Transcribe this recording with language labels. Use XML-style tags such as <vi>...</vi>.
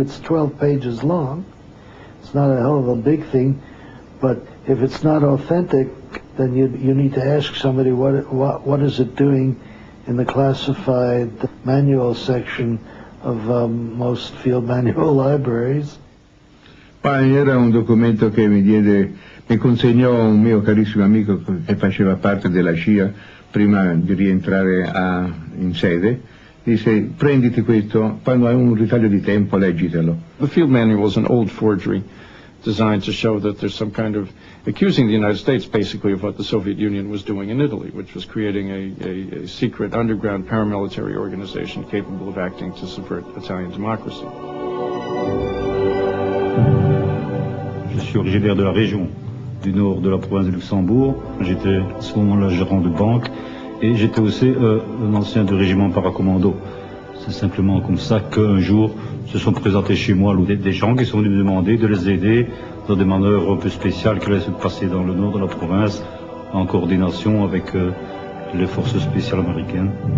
<en>It's 12 pages long. It's not a hell of a big thing, but if it's not authentic, then you need to ask somebody what is it doing in the classified manual section of most field manual libraries.</en> <it>Poi era un documento che mi consegnò un mio carissimo amico che faceva parte della CIA prima di rientrare in sede. Disse, prenditi questo, quando hai un ritaglio di tempo leggitelo.</it> <en>The field manual is an old forgery designed to show that there's some kind of accusing the United States basically of what the Soviet Union was doing in Italy, which was creating a secret underground paramilitary organization capable of acting to subvert Italian democracy.</en> <fr>Je suis originaire de la région du nord de la province de Luxembourg. J'étais à ce moment-là gérant de banque et j'étais aussi un ancien du régiment paracommando. C'est simplement comme ça qu'un jour se sont présentés chez moi des gens qui sont venus me demander de les aider dans des manœuvres un peu spéciales qui allaient se passer dans le nord de la province en coordination avec les forces spéciales américaines.</fr>